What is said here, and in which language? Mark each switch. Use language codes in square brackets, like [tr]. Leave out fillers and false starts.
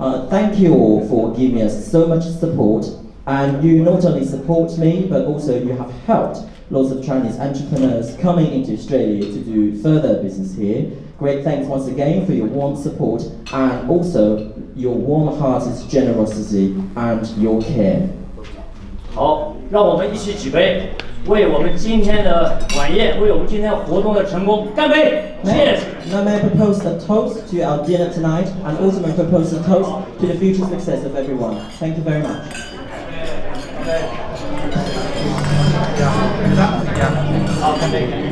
[en] Thank you all for giving us so much support. And you not only support me, but also you have helped lots of Chinese entrepreneurs coming into Australia to do further business here. Great thanks once again for your warm support, and also,your warm hearted generosity and your care. [zh] 好，让我们一起举杯，为我们今天的晚宴，为我们今天活动的成功，干杯 ！ [en] Cheers. Now may I propose a toast to our dinner tonight, and also may I propose a toast to the future success of everyone. Thank you very much. [zh] Yeah. 好，干杯。